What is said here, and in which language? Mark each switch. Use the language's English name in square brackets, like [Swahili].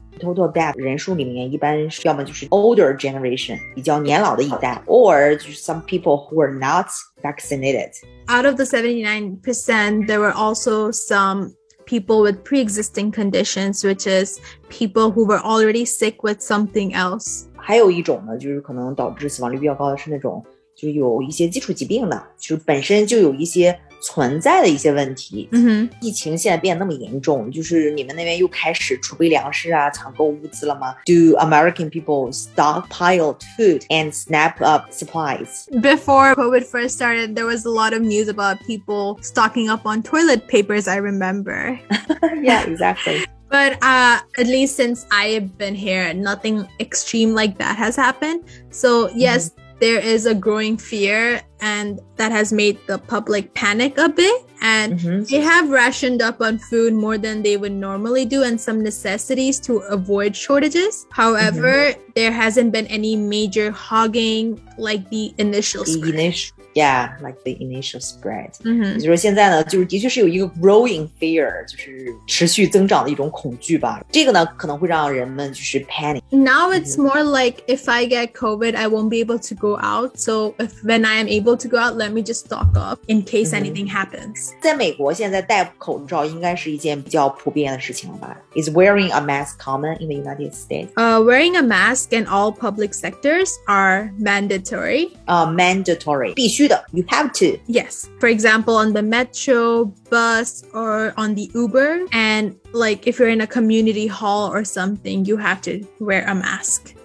[English] Total death [Chinese] 人数里面一般是要么就是 [English] older generation [Chinese] 比较年老的一代 [English] or some people who are not vaccinated out of the 79% there were also some people with pre-existing conditions, which is people who were already sick with something else. [Chinese] 还有一种呢，就是可能导致死亡率比较高的是那种就有一些基础疾病的，就本身就有一些存在的一些问题。 Mm-hmm. 疫情现在变得那么严重，就是你们那边又开始储备粮食啊，抢购物资了吗？ [English] Do American people stockpile food and snap up supplies? Before COVID first started, there was a lot of news about people stocking up on toilet papers, I remember. Yeah, exactly. But at least since I have been here, nothing extreme like that has happened. So yes,There is a growing fear, and that has made the public panic a bit. And they have rationed up on food more than they would normally do and some necessities to avoid shortages. However, there hasn't been any major hogging like the initial spread. [Chinese] Mm-hmm. 就是现在呢，就是的确是有一个 [English] growing fear, [Chinese] 就是持续增长的一种恐惧吧。这个呢，可能会让人们就是 panic. [English] Now it's more like if I get COVID, I won't be able to go out. So if when I am able to go out, let me just stock up in case anything happens. [Chinese] 在美国，现在戴口罩应该是一件比较普遍的事情了吧？ [English] Is wearing a mask common in the United States? Wearing a mask in all public sectors are mandatory. Mandatory. [Chinese] 必须的, [English] you have to. Yes. For example, on the metro, bus, or on the Uber. And like if you're in a community hall or something, you have to wear a mask.